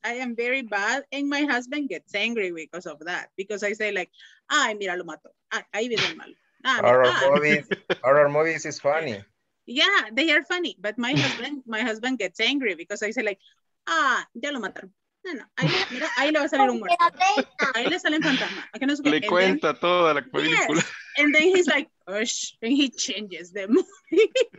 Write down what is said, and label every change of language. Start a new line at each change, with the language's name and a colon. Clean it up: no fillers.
English: I am very bad, and my husband gets angry because of that. Because I say like,
Spanish: ay, mira, lo mato. Ay, vive el mal.
English: Horror movies is funny. Yeah, they are funny, but my husband gets angry because I say like,
Spanish: ya lo mataron. No, ahí le va a salir un muerto. Ahí le salen fantasmas. Le cuenta toda la película.
English: Yes. And then he's like, "Ush," and he changes the movie.